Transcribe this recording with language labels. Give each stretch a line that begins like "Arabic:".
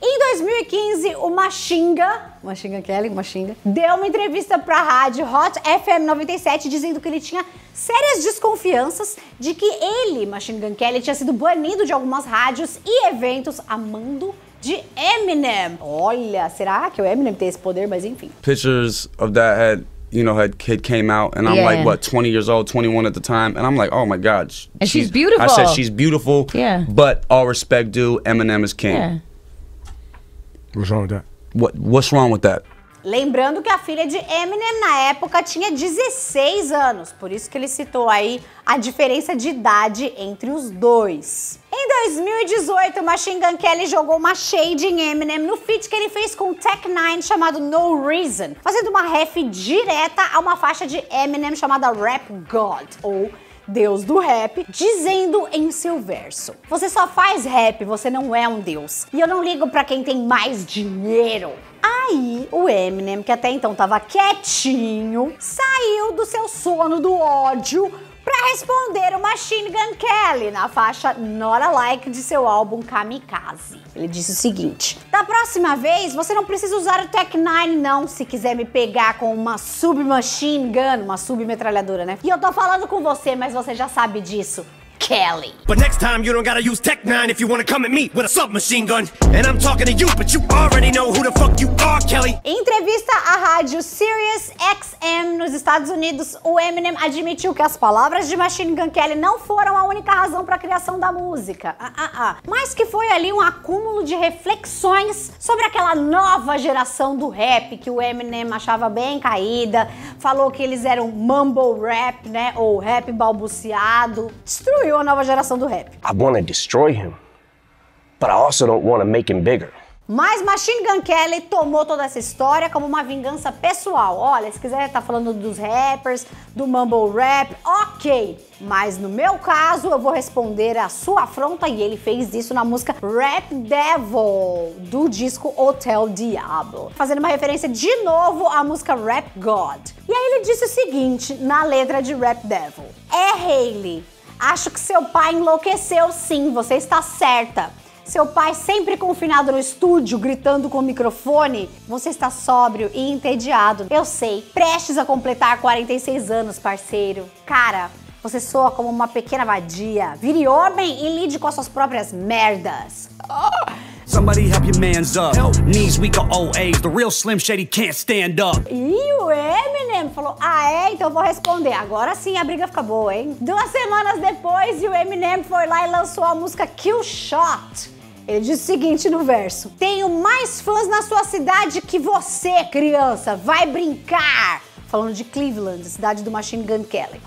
Portuguese: Em 2015, o Machinga Kelly, deu uma entrevista pra rádio Hot FM 97 dizendo que ele tinha sérias desconfianças de que ele, Machine Gun Kelly, tinha sido banido de algumas rádios e eventos a mando de Eminem. Olha, será que o Eminem tem esse poder? Mas enfim.
English: Pictures of that head. You know, her kid came out, and I'm like, what, 20 years old, 21 at the time, and I'm like, oh my God. And she's beautiful. I said, she's beautiful, but all respect due, Eminem is king. Yeah. What's wrong with that? What's wrong with that?
Portuguese: Lembrando que a filha de Eminem na época tinha 16 anos, por isso que ele citou aí a diferença de idade entre os dois. Em 2018, Machine Gun Kelly jogou uma shade em Eminem no feat que ele fez com Tech N9ne chamado No Reason, fazendo uma ref direta a uma faixa de Eminem chamada Rap God, ou deus do rap, dizendo em seu verso: você só faz rap, você não é um deus. E eu não ligo pra quem tem mais dinheiro. Aí o Eminem, que até então tava quietinho, saiu do seu sono do ódio pra responder o Machine Gun Kelly na faixa Not A Like de seu álbum Kamikaze. Ele disse o seguinte: da próxima vez, você não precisa usar o Tech N9ne não, se quiser me pegar com uma submachine gun, uma submetralhadora, né? E eu tô falando com você, mas você já sabe disso. Kelly.
English: But next time you don't gotta use Tech N9ne if you wanna come at me with a submachine gun. And I'm talking to you, but you already know who the fuck you are, Kelly.
Portuguese: Entrevista à rádio Sirius XM nos Estados Unidos, o Eminem admitiu que as palavras de Machine Gun Kelly não foram a única razão pra criação da música. Mas que foi ali um acúmulo de reflexões sobre aquela nova geração do rap que o Eminem achava bem caída, falou que eles eram mumble rap, né? Ou rap balbuciado. Destruiu a nova geração do rap.
English: I want to destroy him, but I also don't want to make him bigger.
Portuguese: Mas Machine Gun Kelly tomou toda essa história como uma vingança pessoal. Olha, se quiser tá falando dos rappers, do mumble rap, ok. Mas no meu caso, eu vou responder a sua afronta, e ele fez isso na música Rap Devil, do disco Hotel Diablo. Fazendo uma referência de novo à música Rap God. E aí ele disse o seguinte na letra de Rap Devil: é Hayley, acho que seu pai enlouqueceu sim, você está certa. Seu pai sempre confinado no estúdio, gritando com o microfone. Você está sóbrio e entediado. Eu sei, prestes a completar 46 anos, parceiro. Cara, você soa como uma pequena vadia. Vire homem e lide com as suas próprias merdas.
English: Somebody help your man's up. Help. Knees weak or old age. The real Slim Shady can't stand up.
Portuguese: E o Eminem falou: ah, é? Então eu vou responder. Agora sim a briga fica boa, hein? Duas semanas depois, e o Eminem foi lá e lançou a música Kill Shot. Ele disse o seguinte no verso: tenho mais fãs na sua cidade que você, criança. Vai brincar. Falando de Cleveland, cidade do Machine Gun Kelly.